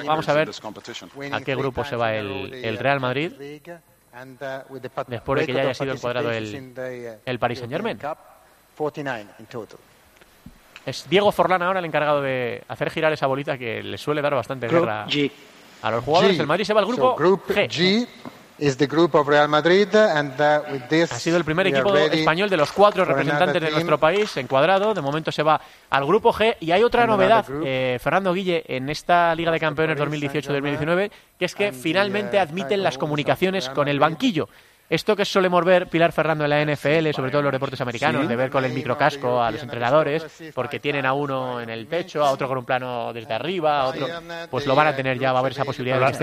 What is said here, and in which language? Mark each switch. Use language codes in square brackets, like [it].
[es] Vamos a ver a qué grupo se va el Real Madrid después de que ya haya sido encuadrado el Paris Saint-Germain. Es Diego Forlán ahora el encargado de hacer girar esa bolita que le suele dar bastante guerra a los jugadores. El Madrid se va al grupo G. [en] Is the group of Real Madrid, and with this, [es] ha sido el primer equipo español de los cuatro representantes de nuestro país encuadrado. De momento se va al grupo G. Y hay otra novedad, Fernando Guille, en esta Liga de Campeones 2018-2019, que es que finalmente admiten las comunicaciones con el banquillo. esto que solemos ver, Pilar Fernando, en la NFL, sobre todo en los deportes americanos, ¿sí?, de ver con el microcasco a los entrenadores, porque tienen a uno en el pecho, a otro con un plano desde arriba, a otro, pues lo van a tener ya, va a haber esa posibilidad.